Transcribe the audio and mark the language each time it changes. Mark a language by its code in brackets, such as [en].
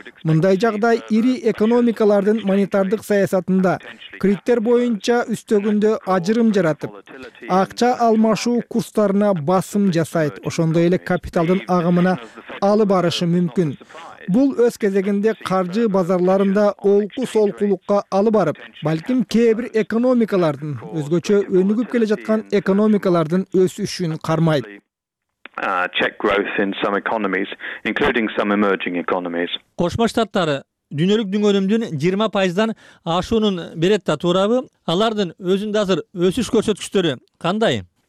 [ky] Мындай жагдай ири экономикалардын монетардык саясатында кредиттер боюнча үстөгүндө ажырым жаратып, акча алмашуу курстарына басым жасайт. Ошондой эле капиталдын агымына алып барышы мүмкүн. Бул өз кезегинде каржы базарларында олку-солкулукка алып барып, балким кээ бир экономикалардын, өзгөчө өнүгүп келе жаткан экономикалардын өсүшүн кармайт. [en] Check growth in some economies, including some emerging economies. [ky] Кошмо Штаттар дүйнөлүк дүң өнүмдүн 20%дан ашуунун берет да, туурабы? Алардын өзүндө азыр өсүш көрсөткүчтөрү кандай?